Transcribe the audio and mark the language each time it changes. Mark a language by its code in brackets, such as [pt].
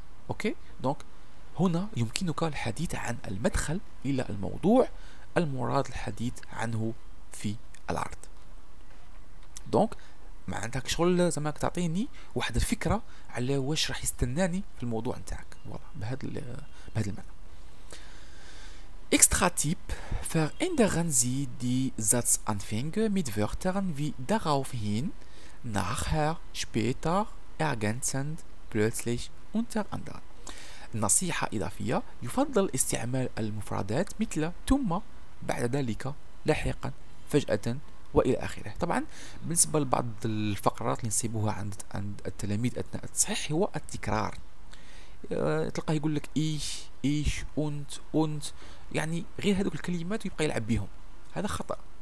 [ar] أوكي دونك هنا يمكنك الحديث عن المدخل إلى الموضوع المراد الحديث عنه في العرض. دونك معناتها شغل زعما تعطيني واحد الفكرة على واش راح يستناني في الموضوع نتاعك بهذا المعنى. [de] Extra Tipp, verändern Sie die Satzanfänge mit Wörtern wie daraufhin, nachher, später, ergänzend, plötzlich, unter anderem. [ar] نصيحة إضافية, يفضل استعمال المفردات مثل ثم, بعد ذلك, لاحقا, فجأة, وإلى آخره. طبعا بالنسبة لبعض الفقرات اللي نصيبوها عند التلاميذ أثناء التصحيح هو التكرار. تلقاه يقول لك إيش إيش أنت أنت يعني غير هذوك الكلمات ويبقى يلعب بهم. هذا خطأ.